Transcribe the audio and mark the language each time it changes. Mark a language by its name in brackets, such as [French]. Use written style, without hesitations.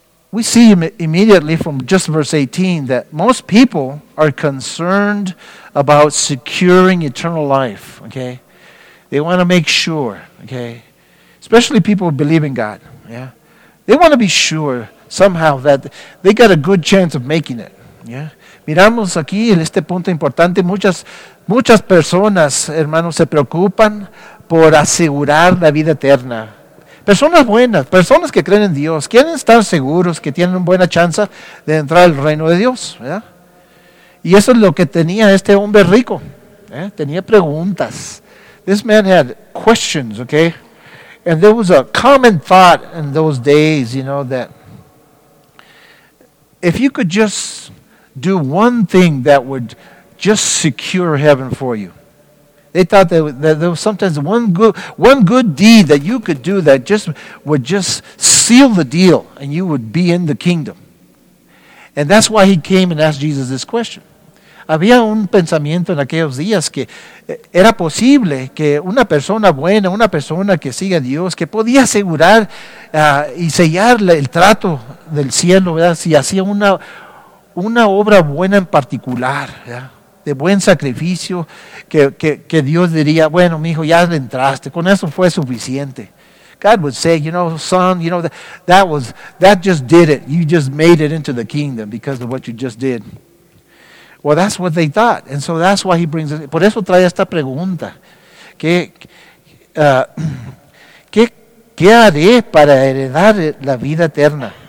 [English] We see immediately from just verse 18 that most people are concerned about securing eternal life, okay? They want to make sure, okay? Especially people who believe in God, yeah? They want to be sure somehow that they got a good chance of making it, yeah? [Spanish] Miramos aquí en este punto importante, muchas personas, hermanos, se preocupan por asegurar la vida eterna. Personas buenas, personas que creen en Dios, quieren estar seguros que tienen una buena chance de entrar al reino de Dios, ¿verdad? Y eso es lo que tenía este hombre rico, ¿eh? Tenía preguntas. [English] This man had questions, okay? And there was a common thought in those days, you know, that if you could just do one thing that would just secure heaven for you. They thought that there was sometimes one good deed that you could do that would just seal the deal and you would be in the kingdom. And that's why he came and asked Jesus this question. [Spanish] Había un pensamiento en aquellos días que era posible que una persona buena, una persona que sigue a Dios, que podía asegurar y sellar el trato del cielo, ¿verdad? Si hacía una obra buena en particular, ¿verdad? De buen sacrificio, que Dios diría, bueno, mijo, ya entraste, con eso fue suficiente. [English] God would say, you know, son, you know, that just did it. You just made it into the kingdom because of what you just did. Well, that's what they thought. And so that's why he brings it. [Spanish] Por eso trae esta pregunta. ¿Qué haré para heredar la vida eterna?